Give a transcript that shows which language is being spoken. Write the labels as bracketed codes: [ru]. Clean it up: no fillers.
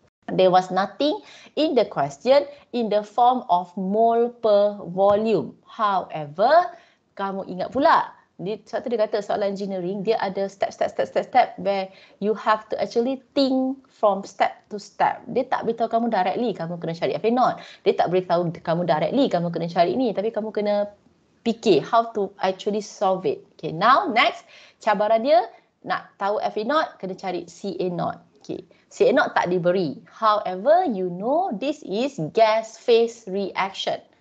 [en] There was nothing in the question in the form of mole per volume. However, [ms] kamu ingat pula, sebab tu dia kata soalan [en] engineering, [ms] dia ada [en] step where you have to actually think from step to step. [ms] Dia tak beritahu kamu directly kamu kena cari FA naught. Dia tak beritahu kamu directly kamu kena cari ni. Tapi kamu kena fikir [en] how to actually solve it. [ms] Okay, now next, cabaran dia nak tahu FA naught, kena cari CA naught. [en] Okay, CA naught [ms] tak diberi. [en] However, you know this is gas phase reaction.